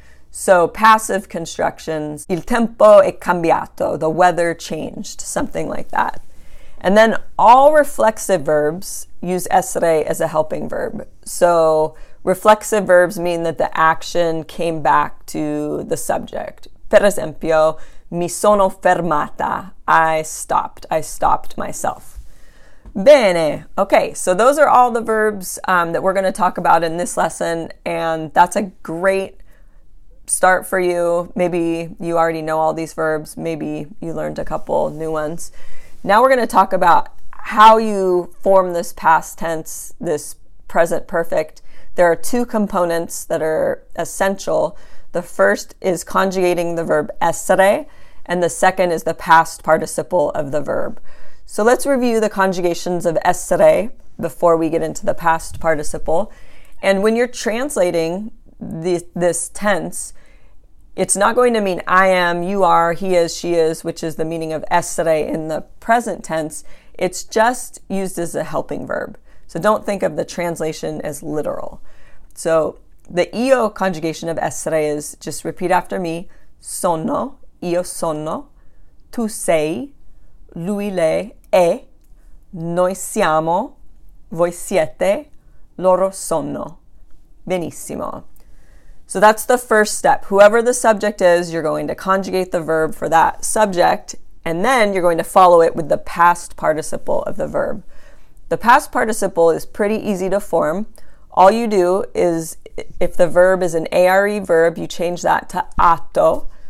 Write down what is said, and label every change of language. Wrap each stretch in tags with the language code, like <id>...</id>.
<en>So passive constructions, il tempo è cambiato, the weather changed, something like that. And then all reflexive verbs use essere as a helping verb. So reflexive verbs mean that the action came back to the subject.</en> <it>Per esempio, mi sono fermata, I stopped myself. Bene.</it> <en>Okay, so those are all the verbs that we're going to talk about in this lesson, and that's a great start for you. Maybe you already know all these verbs. Maybe you learned a couple new ones. Now we're going to talk about how you form this past tense, this present perfect. There are two components that are essential. The first is conjugating the verb essere, and the second is the past participle of the verb. So let's review the conjugations of essere before we get into the past participle. And when you're translating this tense, it's not going to mean I am, you are, he is, she is, which is the meaning of essere in the present tense. It's just used as a helping verb. So don't think of the translation as literal. So the io conjugation of essere is just repeat after me.</en> <it>Sono, io sono, tu sei, lui, lei, è, noi siamo, voi siete, loro sono.</it> <en>Benissimo. So that's the first step. Whoever the subject is, you're going to conjugate the verb for that subject, and then you're going to follow it with the past participle of the verb. The past participle is pretty easy to form. All you do is, if the verb is an are verb, you change that to atto.</en>